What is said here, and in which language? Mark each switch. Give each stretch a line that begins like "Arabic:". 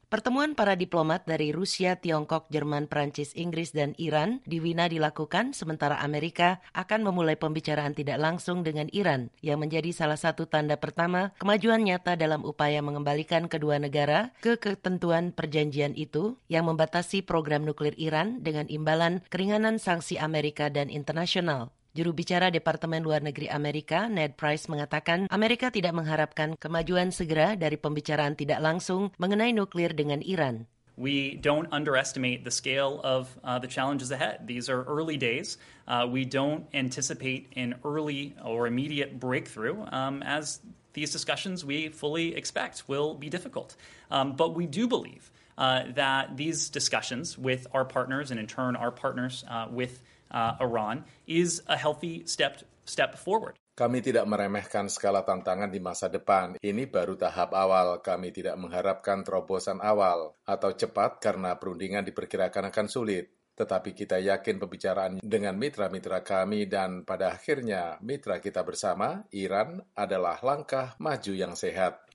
Indonesian: Pertemuan para diplomat dari Rusia, Tiongkok, Jerman, Prancis, Inggris, dan Iran di Wina dilakukan, sementara Amerika akan memulai pembicaraan tidak langsung dengan Iran, yang menjadi salah satu tanda pertama kemajuan nyata dalam upaya mengembalikan kedua negara ke ketentuan perjanjian itu yang membatasi program nuklir Iran dengan imbalan keringanan sanksi Amerika dan internasional. Juru bicara Departemen Luar Negeri Amerika, Ned Price, mengatakan Amerika tidak mengharapkan kemajuan segera dari pembicaraan tidak langsung mengenai nuklir dengan Iran.
English: We don't underestimate the scale of the challenges ahead. These are early days. We don't anticipate an early or immediate breakthrough as these discussions we fully expect will be difficult. But we do believe that these discussions with our partners and in turn our partners with Iran is a healthy step forward.
Indonesian: Kami tidak meremehkan skala tantangan di masa depan. Ini baru tahap awal. Kami tidak mengharapkan terobosan awal atau cepat karena perundingan diperkirakan akan sulit. Tetapi kita yakin pembicaraan dengan mitra-mitra kami dan pada akhirnya mitra kita bersama, Iran, adalah langkah maju yang sehat.